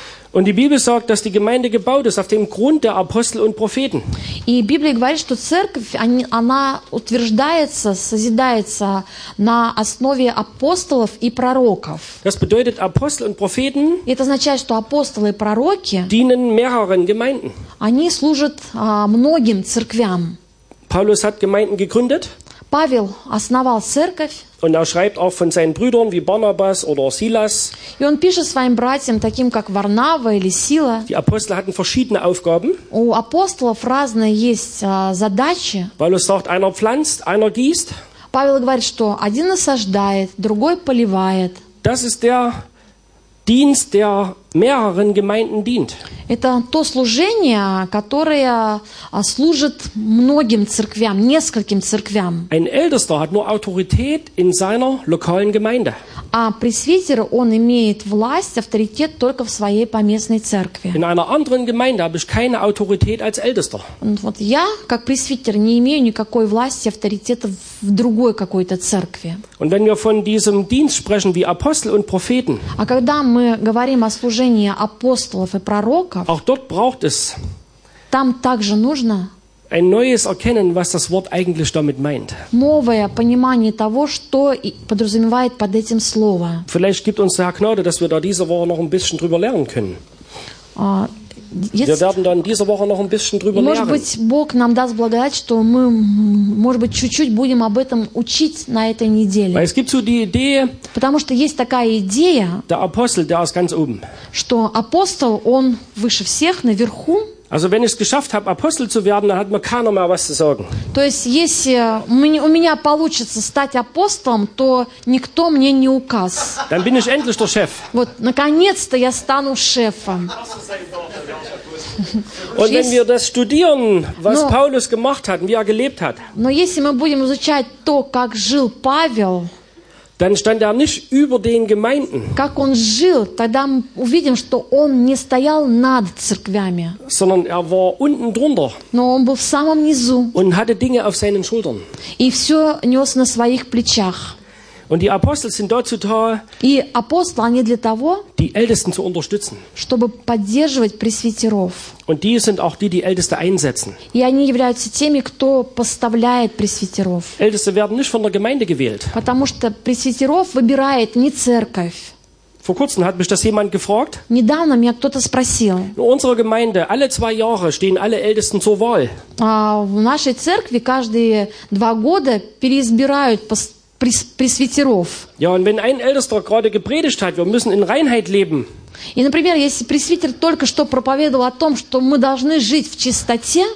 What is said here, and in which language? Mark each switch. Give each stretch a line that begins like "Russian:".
German: Und die Bibel sagt, dass die Gemeinde gebaut ist auf dem Grund der Apostel und Propheten.
Russian: И Библия говорит, что церковь, она утверждается, созидается на основе апостолов и пророков.
German: Das bedeutet, Apostel und Propheten.
Russian: И это означает, что апостолы и пророки
German: dienen mehreren Gemeinden.
Russian: Они служат многим церквям.
German: Paulus hat Gemeinden gegründet.
Russian: Павел основал церковь.
German: Und er schreibt auch von seinen Brüdern wie Barnabas oder Silas.
Russian: И он пишет своим братьям, таким как Варнава или Сила.
German: Die Apostel hatten verschiedene Aufgaben.
Russian: У апостолов разные есть задачи.
German: Paulus sagt, einer pflanzt, einer gießt.
Russian: Павел говорит, что один осаждает, другой поливает.
German: Das ist der Dienst, der mehreren Gemeinden dient.
Russian: Это то служение, которое служит многим церквям, нескольким церквям.
German: Ein Ältester hat nur Autorität in seiner lokalen Gemeinde.
Russian: А пресвитер, он имеет власть, авторитет только в своей поместной церкви.
German: In einer anderen Gemeinde habe ich keine Autorität als Ältester. Und
Russian: вот я, как пресвитер, не имею никакой власти, авторитета в другой какой-то церкви.
German: Und wenn wir von diesem Dienst sprechen wie Apostel und Propheten.
Russian: А когда мы говорим о служении апостолов и пророков,
German: auch dort braucht es
Russian: там также нужно
German: ein neues Erkennen, was das Wort eigentlich damit meint.
Russian: Новое понимание того, что подразумевает под этим слово.
German: Vielleicht gibt uns der Herr Gnade, dass wir da diese Woche noch ein bisschen drüber lernen können. Wir werden dann diese Woche noch ein bisschen drüber lernen.
Russian: Может быть, Бог нам даст благодать, что мы, может быть, чуть-чуть будем об этом учить на этой неделе.
German: Weil es gibt so die Idee,
Russian: потому что есть такая идея,
German: der Apostel, der ist ganz oben.
Russian: Что апостол, он выше всех, наверху.
German: Also wenn ich es geschafft habe, Apostel zu werden, dann hat mir keiner mehr was zu sagen.
Russian: То есть если у меня получится стать апостолом, то никто мне не указ.
German: Dann bin ich endlich der Chef.
Russian: Вот наконец-то я стану шефом.
German: Und wenn wir das studieren, was Paulus gemacht hat, wie er gelebt hat.
Russian: Но если мы будем изучать то, как жил Павел,
German: dann stand er nicht über den Gemeinden.
Russian: Как он жил, тогда мы увидим, что он не стоял над церквями.
German: Sondern er war unten drunter.
Russian: Но он был в самом низу.
German: Und hatte Dinge auf seinen Schultern.
Russian: И все нес на своих плечах.
German: Und die Apostel sind dazu da,
Russian: и апостолы, они для того,
German: die Ältesten zu unterstützen.
Russian: Чтобы поддерживать пресвитеров.
German: Und die sind auch die, die Älteste einsetzen.
Russian: И они являются теми, кто поставляет пресвитеров.
German: Älteste werden nicht von der Gemeinde gewählt.
Russian: Потому что пресвитеров выбирает не церковь.
German: Vor kurzem hat mich das jemand gefragt.
Russian: Недавно меня кто-то спросил.
German: In unserer Gemeinde alle zwei Jahre stehen alle Ältesten zur Wahl.
Russian: А в нашей церкви каждые два года переизбирают пресвитеров.
German: Ja, und wenn ein Ältester gerade gepredigt hat, wir müssen in Reinheit leben.
Russian: И, например, если пресвитер только что проповедовал о том, что мы должны жить в чистоте,